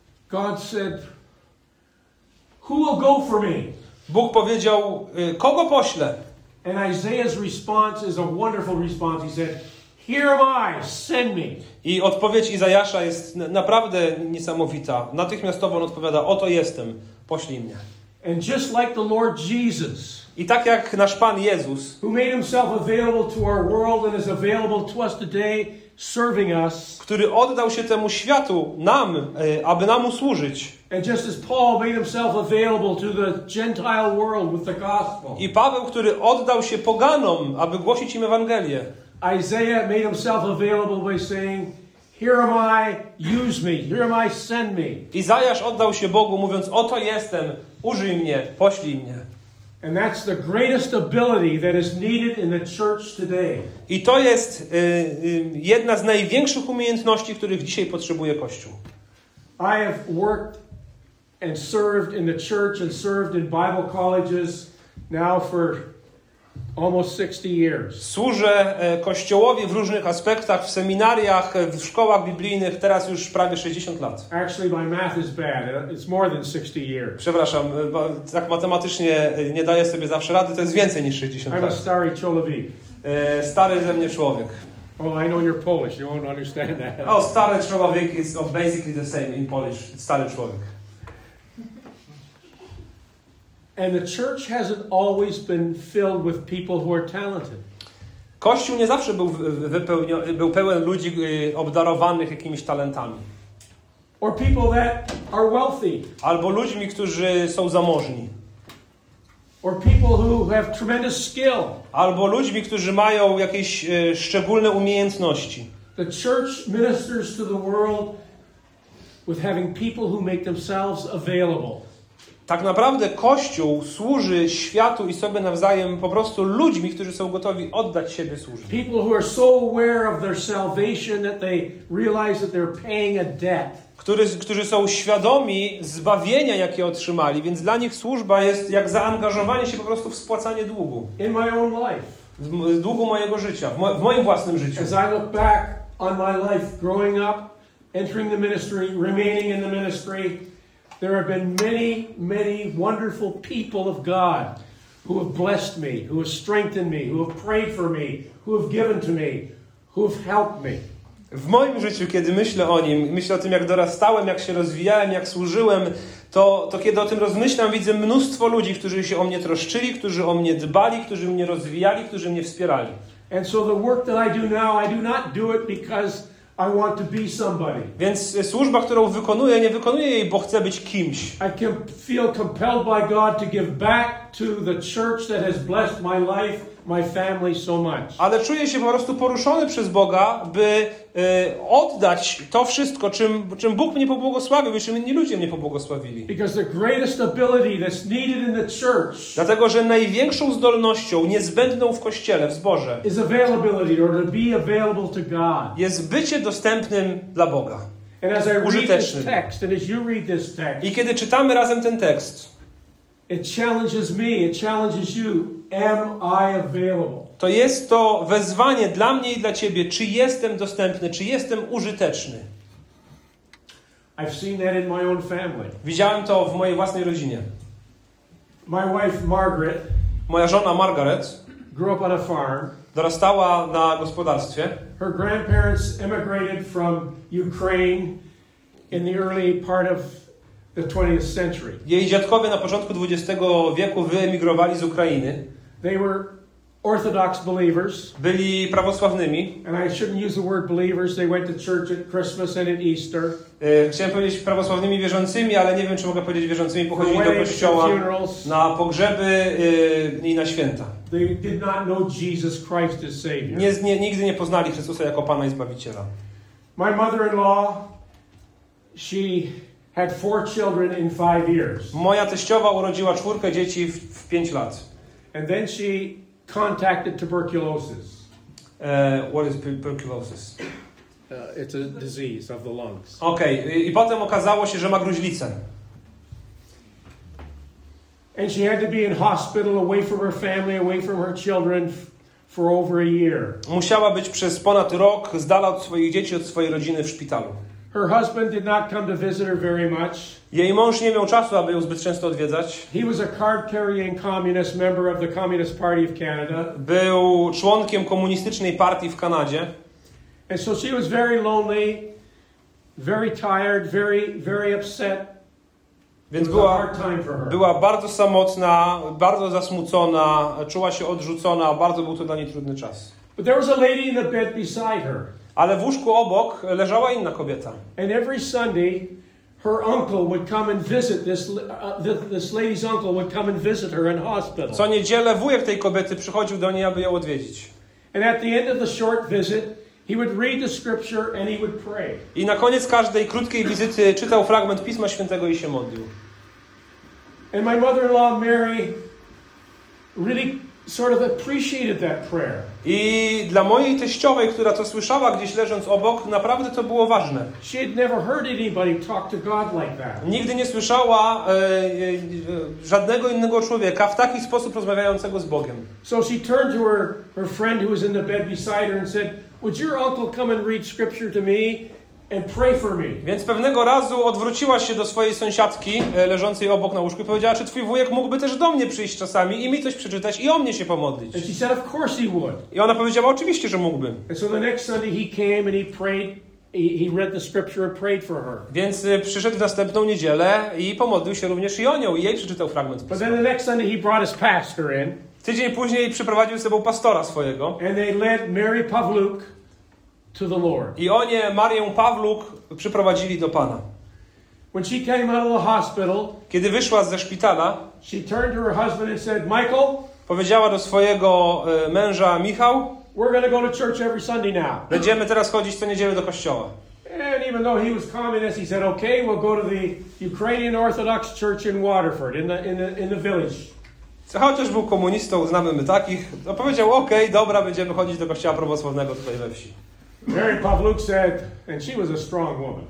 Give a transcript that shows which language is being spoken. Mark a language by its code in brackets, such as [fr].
[en] God said, "Who will go for me?" [pl] Bóg powiedział, kogo pośle? [en] And Isaiah's response is a wonderful response. He said, "Here am I, send me." [pl] I odpowiedź Izajasza jest naprawdę niesamowita. Natychmiastowo on odpowiada, oto jestem, poślij mnie. [en] And just like the Lord Jesus, [pl] i tak jak nasz Pan Jezus, [en] who made himself available to our world and is available to us today, serving us, [pl] który oddał się temu światu, nam, aby nam usłużyć. [en] And just as Paul made himself available to the Gentile world with the gospel, [pl] i Paweł, który oddał się poganom, aby głosić im Ewangelię, [en] Isaiah made himself available by saying, "Here am I, use me. Here am I, send me." [pl] Izajasz oddał się Bogu, mówiąc, oto jestem, użyj mnie, poślij mnie. [en] And that's the greatest ability that is needed in the church today. [pl] I to jest jedna z największych umiejętności, których dzisiaj potrzebuje Kościół. [en] I have worked and served in the church and served in Bible colleges now for almost 60 years. [pl] Służę Kościołowi w różnych aspektach, w seminariach, w szkołach biblijnych teraz już prawie 60 lat. [en] Actually, my math is bad. It's more than 60 years. [pl] Przepraszam, tak matematycznie nie daję sobie zawsze rady, to jest więcej niż 60 [en] I'm [pl] lat. [en] I'm a [pl] stary człowiek. Stary ze mnie człowiek. [en] Oh, I know you're Polish, you won't understand that. Oh, [pl] stary człowiek [en] is basically the same in Polish. [pl] Stary człowiek. [en] And the church hasn't always been filled with people who are talented. [pl] Kościół nie zawsze był pełen ludzi obdarowanych jakimiś talentami. [en] Or people that are wealthy. [pl] Albo ludźmi, którzy są zamożni. [en] Or people who have tremendous skill. [pl] Albo ludźmi, którzy mają jakieś szczególne umiejętności. [en] The church ministers to the world with having people who make themselves available. [pl] Tak naprawdę Kościół służy światu i sobie nawzajem po prostu ludźmi, którzy są gotowi oddać siebie służbie. [en] People who are so aware of their salvation that they realize that they're paying a debt. [pl] Którzy są świadomi zbawienia, jakie otrzymali, więc dla nich służba jest jak zaangażowanie się po prostu w spłacanie długu. [en] In my own life. [pl] W długu mojego życia, w moim własnym życiu. [en] As I look back on my life growing up, entering the ministry, remaining in the ministry, there have been many, many wonderful people of God who have blessed me, who have strengthened me, who have prayed for me, who have given to me, who have helped me. [pl] W moim życiu, kiedy myślę o nim, myślę o tym, jak dorastałem, jak się rozwijałem, jak służyłem, to kiedy o tym rozmyślam, widzę mnóstwo ludzi, którzy się o mnie troszczyli, którzy o mnie dbali, którzy mnie rozwijali, którzy mnie wspierali. [en] And so the work that I do now, I do not do it because I want to be somebody. [pl] Więc służba, którą wykonuję, nie wykonuję jej, bo chcę być kimś. [en] I can feel compelled by God to give back to the church that has blessed my life, my family so much. [pl] Ale czuję się po prostu poruszony przez Boga, by oddać to wszystko, czym Bóg mnie pobłogosławił, czym inni ludzie mnie pobłogosławili. [en] Because the greatest ability that's needed in the church. [pl] Dlatego, że największą zdolnością niezbędną w kościele, w zborze, [en] is availability, or to be available to God. [pl] Jest bycie dostępnym dla Boga. [en] And as I read this text, and as you read this text, [pl] i kiedy czytamy razem ten tekst, [en] it challenges me, it challenges you. Am I available? [pl] To jest to wezwanie dla mnie i dla ciebie, czy jestem dostępny, czy jestem użyteczny. [en] I've seen that in my own family. [pl] Widziałem to w mojej własnej rodzinie. [en] My wife Margaret, [pl] moja żona Margaret, [en] grew up on a farm. [pl] Dorastała na gospodarstwie. [en] Her grandparents emigrated from Ukraine in the early part of the 20th century. [pl] Jej dziadkowie na początku XX wieku wyemigrowali z Ukrainy. [en] They were orthodox believers. [pl] Byli prawosławnymi. [en] And I shouldn't use the word believers. They went to church at Christmas and at Easter. [pl] Chciałem powiedzieć prawosławnymi wierzącymi, ale nie wiem, czy mogę powiedzieć wierzącymi. Pochodzili do kościoła, na pogrzeby i na święta. [en] They did not know Jesus Christ as Savior. [pl] Nigdy nie poznali Chrystusa jako Pana i Zbawiciela. [en] My mother-in-law, she had four children in 5 years. [pl] Moja teściowa urodziła czwórkę dzieci w 5 lat. [en] And then she contacted tuberculosis. What is tuberculosis? It's a disease of the lungs. Okay. [pl] I potem okazało się, że ma gruźlicę. [en] And she had to be in hospital away from her family, away from her children for over a year. [pl] Musiała być przez ponad rok z dala od swoich dzieci, od swojej rodziny w szpitalu. [en] Her husband did not come to visit her very much. [pl] Jej mąż nie miał czasu, aby ją zbyt często odwiedzać. [en] He was a card-carrying communist member of the Communist Party of Canada. [pl] Był członkiem komunistycznej partii w Kanadzie. [en] And so she was very lonely, very tired, very, very upset. [pl] Więc była bardzo samotna, bardzo zasmucona, czuła się odrzucona, bardzo był to dla niej trudny czas. [en] But there was a lady in the bed beside her. [pl] Ale w łóżku obok leżała inna kobieta. [en] And every Sunday her uncle would come and visit this lady's uncle would come and visit her in hospital. [pl] Co niedzielę wujek tej kobiety przychodził do niej, aby ją odwiedzić. [en] And at the end of the short visit he would read the scripture and he would pray. [pl] I na koniec każdej krótkiej wizyty czytał fragment Pisma Świętego i się modlił. [en] And my mother-in-law Mary really sort of appreciated that prayer. [pl] I dla mojej teściowej, która to słyszała gdzieś leżąc obok, naprawdę to było ważne. [en] She had never heard anybody talk to God like that. [pl] Nigdy nie słyszała żadnego innego człowieka w taki sposób rozmawiającego z Bogiem. [en] So she turned to her friend who was in the bed beside her and said, "Would your uncle come and read scripture to me and pray for me?" [pl] Więc pewnego razu odwróciła się do swojej sąsiadki leżącej obok na łóżku i powiedziała, czy twój wujek mógłby też do mnie przyjść czasami i mi coś przeczytać i o mnie się pomodlić. [en] And she said, of course he would. [pl] I ona powiedziała, oczywiście, że mógłby. [en] And so the next Sunday he came and he prayed. He read the scripture and prayed for her. [pl] Więc przyszedł w następną niedzielę i pomodlił się również i o nią i jej przeczytał fragment. [en] But then the next Sunday he brought his pastor in. [pl] Tydzień później przyprowadził ze sobą pastora swojego. [en] And they led Mary Pawluk to the Lord. [pl] I oni Marię Pawluk przyprowadzili do Pana. [en] When she came out of the hospital, [pl] kiedy wyszła ze szpitala, [en] she turned to her husband and said, "Michael," [pl] powiedziała do swojego męża Michał, [en] "we're going to go to church every Sunday now." [pl] Będziemy teraz chodzić co niedzielę do kościoła. [en] And even though he was communist, he said, "Okay, we'll go to the Ukrainian Orthodox Church in Waterford, in the village." [pl] Chociaż był komunistą, znamy my takich, to powiedział, okej, dobra, będziemy chodzić do kościoła prawosławnego tutaj we wsi. [en] Mary Pawluk said, and she was a strong woman.